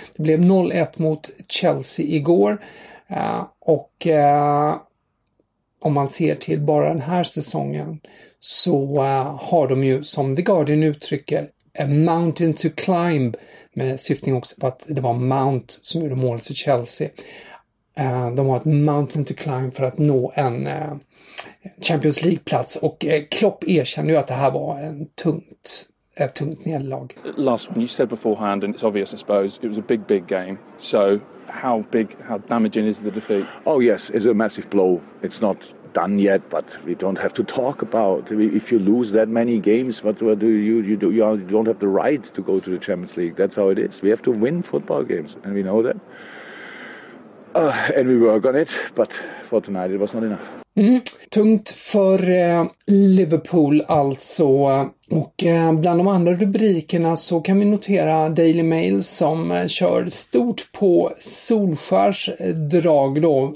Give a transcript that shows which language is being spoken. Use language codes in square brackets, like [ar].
[sv] Det blev 0-1 mot Chelsea igår, och om man ser till bara den här säsongen så har de ju, som The Guardian uttrycker, [en] a mountain to climb, [sv] med syftning också på att det var Mount som gjorde målet för Chelsea. De har ett [en] mountain to climb [sv] för att nå en Champions League-plats, och Klopp erkände ju att det här var ett tungt nederlag. [en] Lars, when you said beforehand, and it's obvious I suppose, it was a big, big game, so how damaging is the defeat? Oh yes, it's a massive blow. It's not done yet, but we don't have to talk about it. If you lose that many games, what do you do? You don't have the right to go to the Champions League. That's how it is. We have to win football games, and we know that. And we work on it, but for tonight it was not enough. [sv] Tungt för Liverpool alltså. Och bland de andra rubrikerna så kan vi notera Daily Mail som kör stort på Solskjaers drag då.